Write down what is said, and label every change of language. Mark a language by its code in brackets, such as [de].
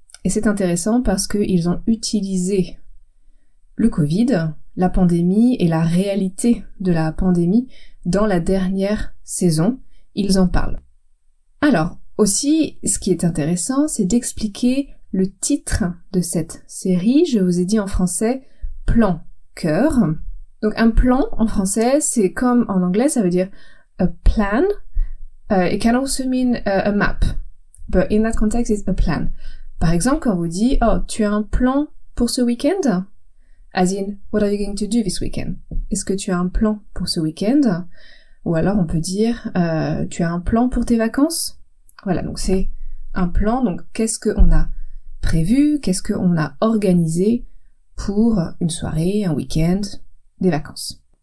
[fr] Et c'est intéressant parce qu'ils ont utilisé le Covid, la pandémie et la réalité de la pandémie dans la dernière saison. Ils en parlent. Alors, aussi, ce qui est intéressant, c'est d'expliquer le titre de cette série. Je vous ai dit en français « plan cœur ». Donc un plan, en français, c'est comme en anglais, ça veut dire « a plan ». [en] It can also mean a map, but in that context, it's a plan. [fr] Par exemple, quand on vous dit « Oh, tu as un plan pour ce week-end ?» [en] As in, what are you going to do this weekend? [fr] Est-ce que tu as un plan pour ce week-end? Ou alors on peut dire, tu as un plan pour tes vacances? Voilà, donc c'est un plan. Donc qu'est-ce qu'on a prévu? Qu'est-ce qu'on a organisé pour une soirée, un week-end, des vacances?